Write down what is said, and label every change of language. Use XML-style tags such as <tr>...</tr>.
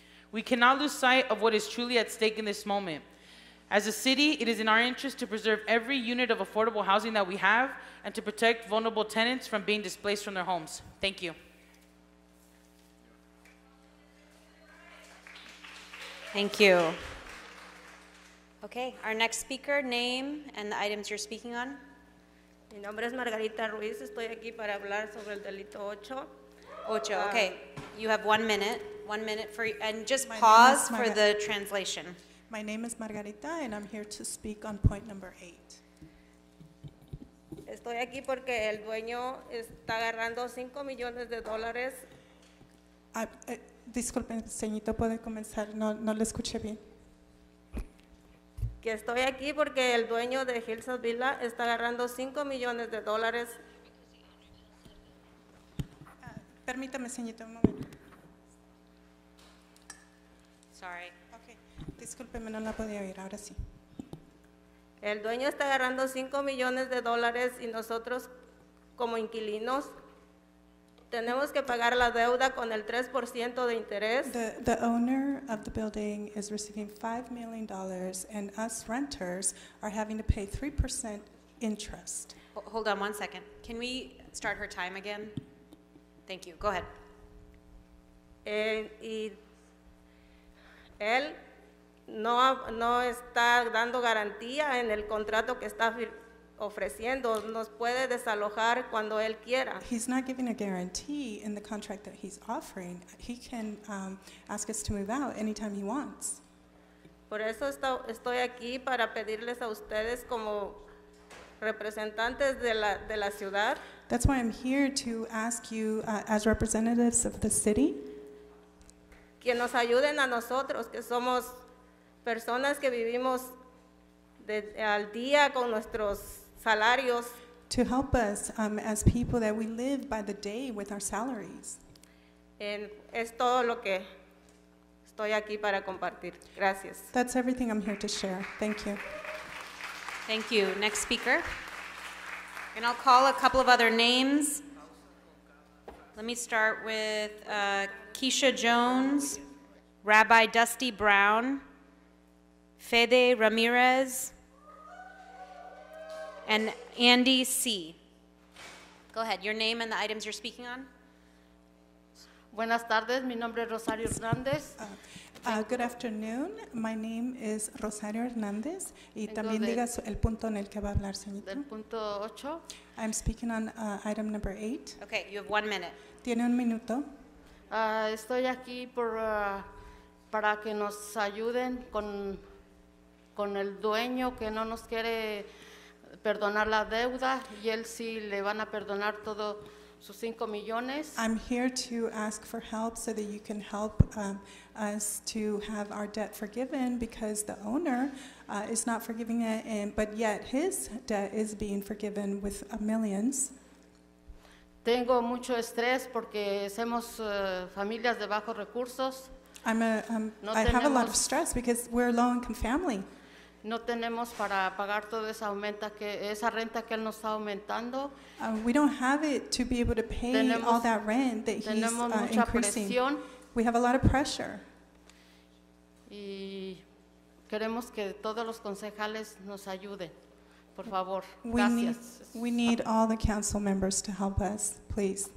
<en>We cannot lose sight of what is truly at stake in this moment. As a city, it is in our interest to preserve every unit of affordable housing that we have and to protect vulnerable tenants from being displaced from their homes. Thank you. Thank you. Okay, our next speaker, name and the items you're speaking on.</en> <es>Mi nombre es Margarita Ruiz. Estoy aquí para hablar sobre el delito ocho.</es> <en>Ocho, okay. You have 1 minute. 1 minute for, and just my pause for the translation. My name is Margarita, and I'm here to speak on point number 8.</en> <es>Estoy aquí porque el dueño está agarrando 5 millones de dólares. Disculpen, señorito, puede comenzar. No le escuché bien. Que estoy aquí porque el dueño de Hillside Villa está agarrando 5 millones de dólares. Permítame, señorito, un momento. Sorry. Discúlpeme, no la podía oír, ahora sí. El dueño está agarrando 5 millones de dólares y nosotros, como inquilinos, tenemos que pagar la deuda con el 3% de interés.</es> <en>The owner of the building is receiving $5 million and us renters are having to pay 3% interest. Hold on 1 second. Can we start her time again? Thank you. Go ahead.</en> <es>Él... No está dando garantía en el contrato que está ofreciendo, nos puede desalojar cuando él quiera.</es> <en>He's not giving a guarantee in the contract that he's offering. He can ask us to move out anytime he wants.</en> <es>Por eso estoy aquí para pedirles a ustedes como representantes de la ciudad.</es> <en>That's why I'm here to ask you as representatives of the city.</en> <es>Que nos ayuden a nosotros, que somos personas que vivimos al día con nuestros salarios.</es> <en>To help us as people that we live by the day with our salaries.</en> <es>Es todo lo que estoy aquí para compartir. Gracias.</es> <en>That's everything I'm here to share. Thank you. Thank you. Next speaker. And I'll call a couple of other names. Let me start with Keisha Jones, Rabbi Dusty Brown, Fede Ramirez, and Andy C. Go ahead, your name and the items you're speaking on.</en> <es>Buenas tardes, mi nombre es Rosario Hernandez.</es> <en>Good afternoon, my name is Rosario Hernandez.</en> <es>Y también diga el punto en el que va a hablar, señorita. Del punto ocho.</es> <en>I'm speaking on item number 8. Okay, you have 1 minute.</en> <es>Tiene un minuto. Estoy aquí para que nos ayuden con el dueño que no nos quiere perdonar la deuda y él sí le van a perdonar todo sus 5 millones.</es> <en>I'm here to ask for help so that you can help us to have our debt forgiven because the owner is not forgiving it, but yet his debt is being forgiven with millions.</en> <es>Tengo mucho estrés porque somos familias de bajos recursos.</es> <en>I have a lot of stress because we're a low-income family.</en> <es>No tenemos para pagar toda esa renta que él nos está aumentando.</es> <en>We don't have it to be able to pay all that rent that he's increasing.</en> <es>Presión.</es> <en>We have a lot of pressure.</en> <es>Y queremos que todos los concejales nos ayuden. Por favor,</es> <en>we need all the council members to help us, please.</en>